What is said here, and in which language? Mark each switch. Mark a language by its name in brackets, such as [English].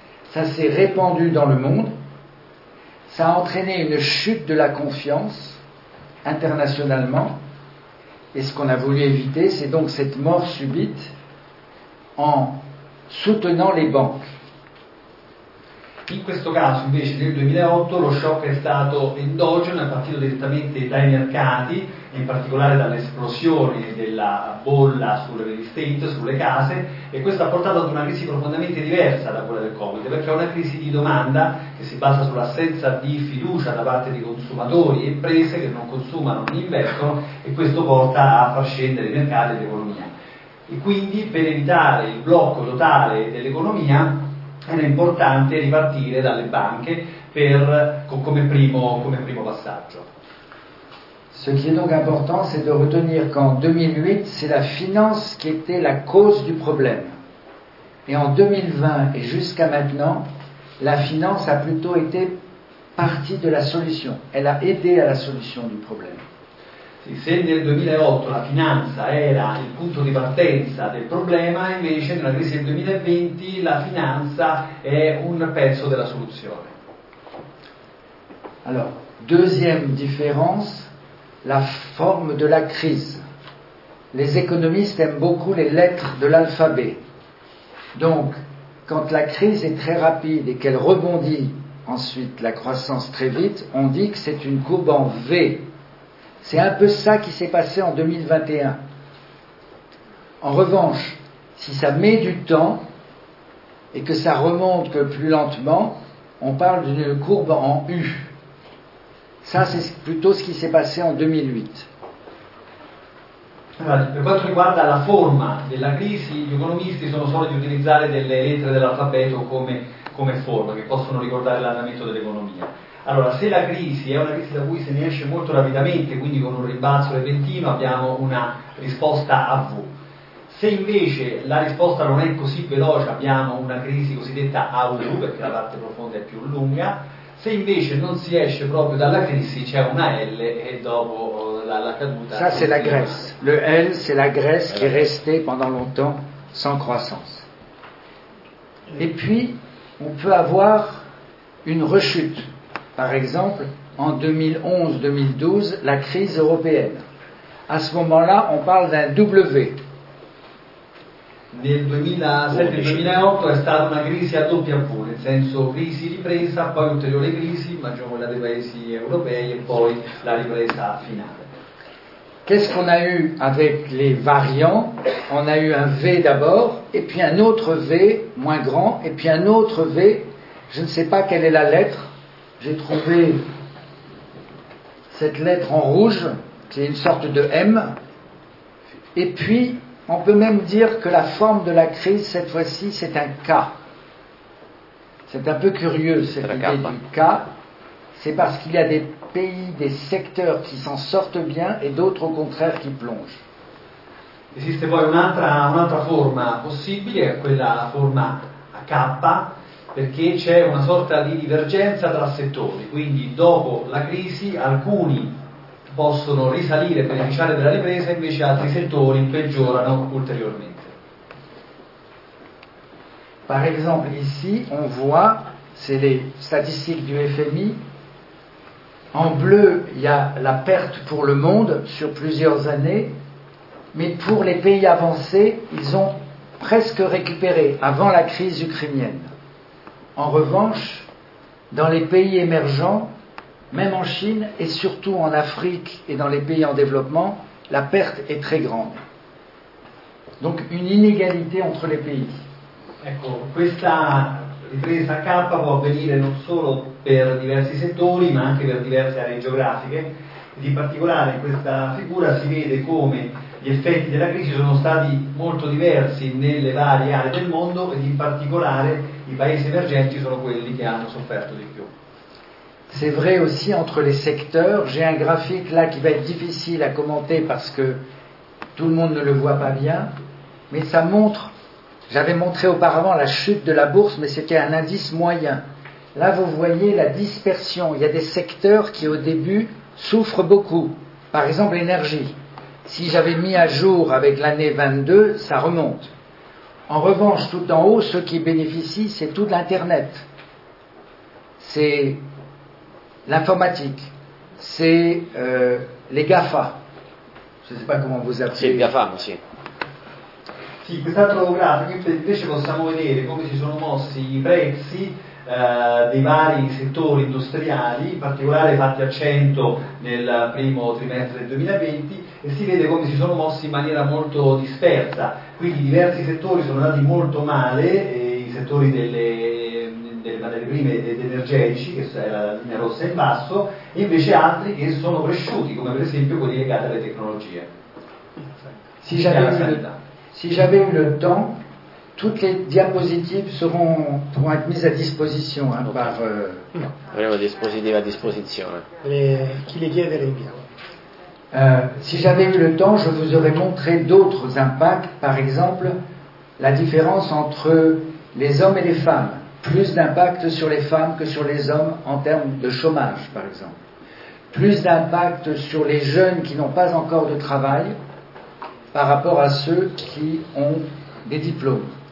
[French] Ça s'est répandu dans le monde, ça a entraîné une chute de la confiance internationalement, et ce qu'on a voulu éviter, c'est donc cette mort subite en soutenant les banques. [Italian] In questo caso invece nel 2008 lo shock è stato endogeno, è partito direttamente dai mercati, in particolare dall'esplosione della bolla sul real estate, sulle case, e questo ha portato ad una crisi profondamente diversa da quella del Covid, perché è una crisi di domanda che si basa sull'assenza di fiducia da parte di consumatori e imprese che non consumano, non investono, e questo porta a far scendere i mercati e l'economia. E quindi per evitare il blocco totale dell'economia era importante ripartire dalle banche come primo passaggio. [French] Ce qui est donc important, c'est de retenir qu'en 2008, c'est la finance qui était la cause du problème. Et en 2020 et jusqu'à maintenant, la finance a plutôt été partie de la solution. Elle a aidé à la solution du problème. [Italian] Se nel 2008 la finanza era il punto di partenza del problema, invece nella crisi del 2020 la finanza è un pezzo della soluzione. [French] Allora, deuxième différence, la forme de la crise. Les économistes aiment beaucoup les lettres de l'alphabet. Donc, quand la crise est très rapide et qu'elle rebondit ensuite la croissance très vite, on dit que c'est une courbe en V. C'est un peu ça qui s'est passé en 2021. En revanche, si ça met du temps et que ça remonte que plus lentement, on parle d'une courbe en U. Ça, c'est plutôt ce qui s'est passé en 2008. [Italian] Per quanto riguarda la forma della crisi, gli economisti sono soliti utilizzare delle lettere dell'alfabeto come forma, che possono ricordare l'andamento dell'economia. Allora, se la crisi è una crisi da cui se ne esce molto rapidamente, quindi con un rimbalzo repentino, abbiamo una risposta a V. Se invece la risposta non è così veloce, abbiamo una crisi cosiddetta a U, perché la parte profonda è più lunga. Se invece non si esce proprio dalla crisi, c'è una L e dopo la caduta... [French] Ça c'est la Grèce. Le L, c'est la Grèce qui est restée pendant longtemps sans croissance. Et puis, on peut avoir une rechute. Par exemple, en 2011-2012, la crise européenne. À ce moment-là, on parle d'un W. [Italian] Nel 2007-2008 è stata una crisi a doppia V, nel senso crisi ripresa, poi ulteriore crisi, maggiore quella dei paesi europei e poi la ripresa finale. [French] Qu'est-ce qu'on a eu avec les variants? On a eu un V d'abord, et puis un autre V, moins grand, et puis un autre V, je ne sais pas quelle est la lettre. J'ai trouvé cette lettre en rouge, qui est une sorte de M. Et puis, on peut même dire que la forme de la crise, cette fois-ci, c'est un K. C'est un peu curieux, cette idée du K. C'est parce qu'il y a des pays, des secteurs qui s'en sortent bien et d'autres, au contraire, qui plongent. [Italian] Esiste poi un'altra forma possibile, quella forma a K. Perché c'è una sorta di divergenza tra settori, quindi dopo la crisi alcuni possono risalire e beneficiare della ripresa, invece altri settori peggiorano ulteriormente. [French] Par exemple, ici on voit, c'est les statistiques du FMI, en bleu il y a la perte pour le monde sur plusieurs années, mais pour les pays avancés, ils ont presque récupéré avant la crise ukrainienne. En revanche, dans les pays émergents, même en Chine et surtout en Afrique et dans les pays en développement, la perte est très grande. Donc une inégalité entre les pays. [Italian] Ecco, questa ripresa K può avvenire non solo per diversi settori, ma anche per diverse aree geografiche. Ed in particolare in questa figura si vede come gli effetti della crisi sono stati molto diversi nelle varie aree del mondo ed in particolare i paesi emergenti sono quelli che hanno sofferto di più. [French] C'est vrai aussi entre les secteurs. J'ai un graphique là qui va être difficile à commenter parce que tout le monde ne le voit pas bien, mais ça montre, j'avais montré auparavant la chute de la bourse, mais c'était un indice moyen. Là vous voyez la dispersion, il y a des secteurs qui au début souffrent beaucoup, par exemple l'énergie. Si j'avais mis à jour avec l'année 22, ça remonte. En revanche, tout en haut, ceux qui bénéficient, c'est tout de l'Internet. C'est l'informatique. C'est les GAFA. Je ne sais pas comment vous appelez. C'est les GAFA aussi. [Italian] Si, quest'altro grafico, invece possiamo vedere come si sono mossi i prezzi dei vari settori industriali, in particolare fatti accento nel primo trimestre del 2020, e si vede come si sono mossi in maniera molto dispersa. Quindi diversi settori sono andati molto male, i settori delle materie prime e degli energetici, che è la linea rossa in basso, e invece altri che sono cresciuti, come per esempio quelli legati alle tecnologie. Si c'è la sanità. [French] Si j'avais eu le temps, toutes les diapositives pourront être mises à disposition hein, par. [Italian] Non, avremo dispositivi [French] à disposition. [Italian] Chi le chiede le invia. [French] Si j'avais eu le temps, je vous aurais montré d'autres impacts, par exemple la différence entre les hommes et les femmes, plus d'impact sur les femmes que sur les hommes en termes de chômage, par exemple, plus d'impact sur les jeunes qui n'ont pas encore de travail par rapport à ceux qui ont des diplômes.